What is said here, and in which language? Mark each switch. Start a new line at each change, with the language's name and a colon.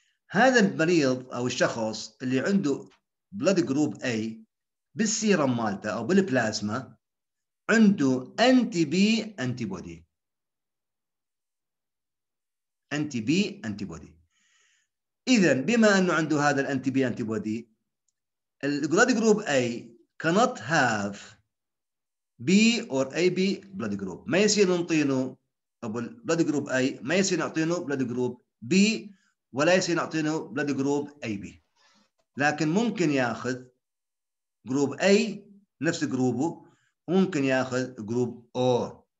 Arabic: هذا المريض أو الشخص اللي عنده Blood Group A بالسيرم مالته أو بالبلازما عنده NTB Antibody، انتي بي انتي بودي. اذا بما انه عنده هذا الانتي بي انتي بودي
English: البلد group A cannot have B or AB blood group.
Arabic: ما يصير نعطينه أبو البلد جروب A، ما يصير نعطينه بلد جروب B، ولا يصير نعطينه بلد جروب AB. لكن ممكن يأخذ جروب A نفس جروبه، ممكن يأخذ جروب O.